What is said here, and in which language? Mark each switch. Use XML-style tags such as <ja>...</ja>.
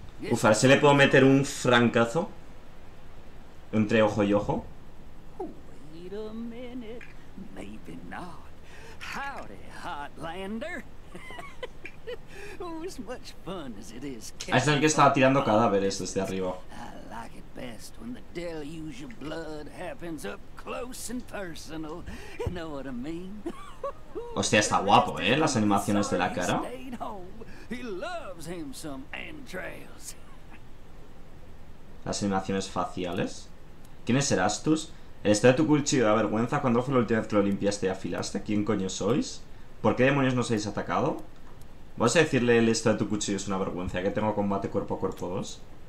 <es>Uf, a ver si le puedo meter un francazo. Entre ojo y ojo.</es> <en>Wait a minute. Maybe not. Howdy, Hotlander. As much fun as it is.</en> <es>Es el que estaba tirando cadáveres desde arriba.</es> <en>I like it best when the deluge of blood happens up close and personal. You know what I mean?</en> <es>Hostia, está guapo, ¿eh? Las animaciones de la cara.</es> <en>He loves him some entrails.</en> <es>Las animaciones faciales. ¿Quién es Erastus? El estado de tu cuchillo da vergüenza. ¿Cuándo fue la última vez que lo limpiaste y afilaste? ¿Quién coño sois? ¿Por qué demonios nos habéis atacado? ¿Vas a decirle el estado de tu cuchillo es una vergüenza? ¿Que tengo combate cuerpo a cuerpo 2?</es>